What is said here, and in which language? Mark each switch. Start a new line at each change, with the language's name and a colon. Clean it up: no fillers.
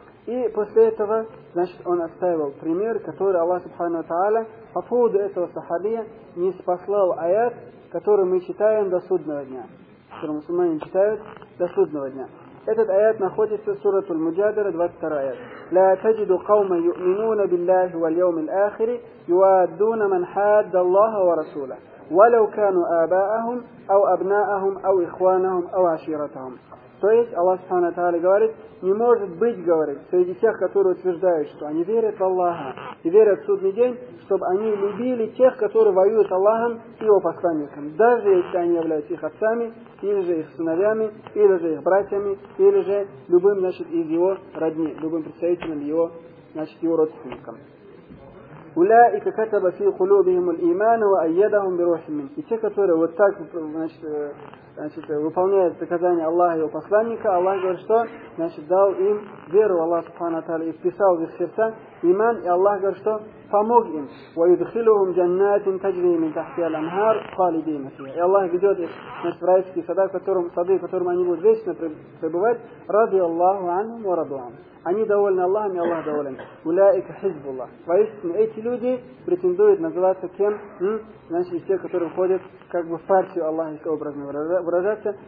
Russian: И после этого, значит, он оставил пример, который Аллах Субхану ва Тааля по поводу этого сахабия не спослал аят, который мы читаем до судного дня. Который мусульмане читают до судного дня. Этот аят находится в сурату Аль-Муджадара, 22 аят.
Arabic: لا تجد قوما يؤمنون بالله واليوم الآخر يوادون من حاد الله ورسوله ولو كانوا آباءهم أو أبناءهم أو إخوانهم أو عشيرتهم.
Russian: То есть Аллах Субхана Тааля говорит, не может быть, говорит, среди тех, которые утверждают, что они верят в Аллаха и верят в Судный день, чтобы они любили тех, которые воюют Аллахом и его посланником, даже если они являются их отцами, или же их сыновьями, или же их братьями, или же любым, значит, из его родни, любым представителем его, значит, его родственникам.
Arabic: أولئك كتب في قلوبهم الإيمان وأيدهم بروح من.
Russian: И те, которые вот так, значит, выполняют приказания Аллаха и его посланника, Аллах говорит, что, значит, дал им веру в Аллах Субхана Тааля и вписал в их сердца иман, и Аллах говорит, что помог им.
Arabic: ويدخلهم جنات تجري من تحتها الأنهار خالدين فيها.
Russian: И Аллах ведет их, значит, в райские сады, в котором они будут вечно пребывать, ради Аллаху анхум ва раду анхум. Они довольны Аллахом, и Аллах доволен. Уляика хизбуллах. Воистину, эти люди претендуют называться кем? Значит, те, которые входят как бы в партию Аллаха, если образно выражаться.